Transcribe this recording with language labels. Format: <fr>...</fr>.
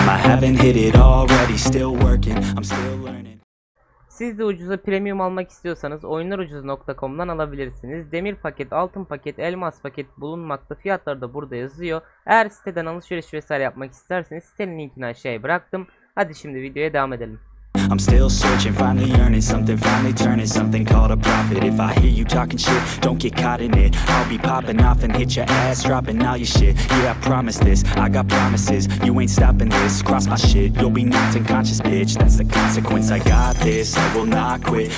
<en>I haven't hit it already, still working, I'm still learning.</en> <tr>Siz de ucuza premium almak istiyorsanız oyunlarucuz.com'dan alabilirsiniz. Demir paket, altın paket, elmas paket bulunmakta. Fiyatları da burada yazıyor. Eğer siteden alışveriş vesaire yapmak isterseniz sitenin linkini aşağıya bıraktım. Hadi şimdi videoya devam edelim.</tr> <en>I'm still searching, finally earning something, finally turning something called a profit. If I hear you talking shit, don't get caught in it. I'll be popping off and hit your ass, dropping all your shit. Yeah, I promise this, I got promises, you ain't stopping this. Cross my shit, you'll be knocked unconscious, bitch. That's the consequence, I got this, I will not quit.</en>